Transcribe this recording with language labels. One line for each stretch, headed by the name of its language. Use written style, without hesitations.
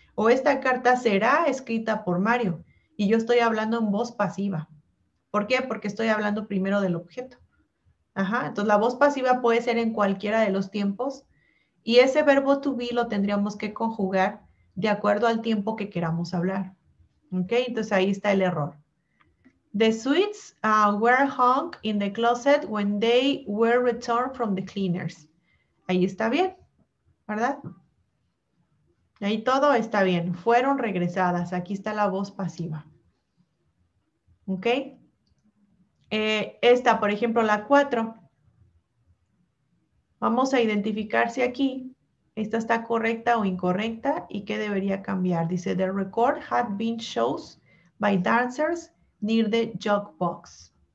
Spanish: O esta carta será escrita por Mario. Y yo estoy hablando en voz pasiva. ¿Por qué? Porque estoy hablando primero del objeto. Ajá. Entonces, la voz pasiva puede ser en cualquiera de los tiempos. Y ese verbo to be lo tendríamos que conjugar de acuerdo al tiempo que queramos hablar. ¿Ok? Entonces, ahí está el error.
English: The sweets were hung in the closet when they were returned from the cleaners.
Spanish: Ahí está bien. ¿Verdad? Ahí todo está bien. Fueron regresadas. Aquí está la voz pasiva. ¿Ok? Esta, por ejemplo, la 4. Vamos a identificar si aquí ¿Esta está correcta o incorrecta? ¿Y qué debería cambiar? Dice,
English: the record had been shown by dancers near the jukebox.